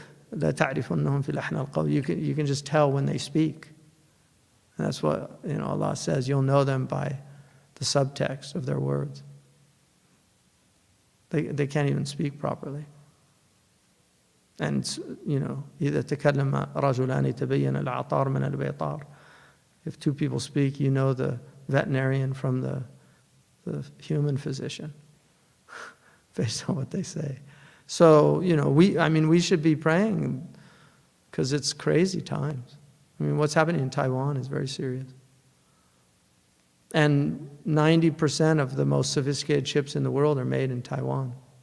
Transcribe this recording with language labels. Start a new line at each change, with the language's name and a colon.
English: And you can just tell when they speak. And that's what, you know, Allah says, you'll know them by the subtext of their words. They can't even speak properly.
Arabic: And you know, إِذَا تَكَلَّمَ رَجُلَانِ تَبَيَّنَ الْعَطَارُ مِنَ الْبَيْطَارِ.
English: If two people speak, you know the veterinarian from the human physician based on what they say. So, you know, we should be praying because it's crazy times. I mean, what's happening in Taiwan is very serious. And 90% of the most sophisticated chips in the world are made in Taiwan.